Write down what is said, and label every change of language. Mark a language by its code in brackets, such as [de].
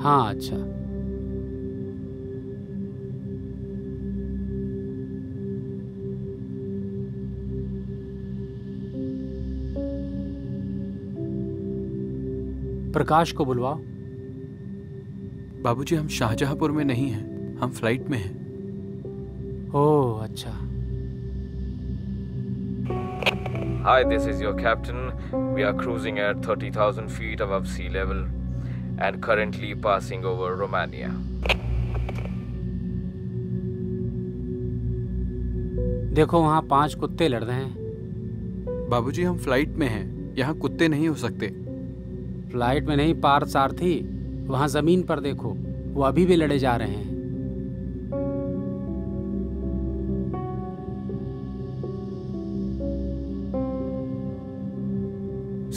[hi] हाँ अच्छा, प्रकाश को बुलवाओ। बाबूजी हम शाहजहांपुर में नहीं हैं, हम फ्लाइट में हैं। ओ अच्छा। [en] Hi, this is your captain. We are cruising at 30,000 feet above sea level and currently passing over Romania. [hi] देखो वहाँ 5 कुत्ते लड़ रहे हैं। बाबूजी हम फ्लाइट में हैं, यहाँ कुत्ते नहीं हो सकते। फ्लाइट में नहीं पार्थ सारथी, वहां जमीन पर देखो, वो अभी भी लड़े जा रहे हैं।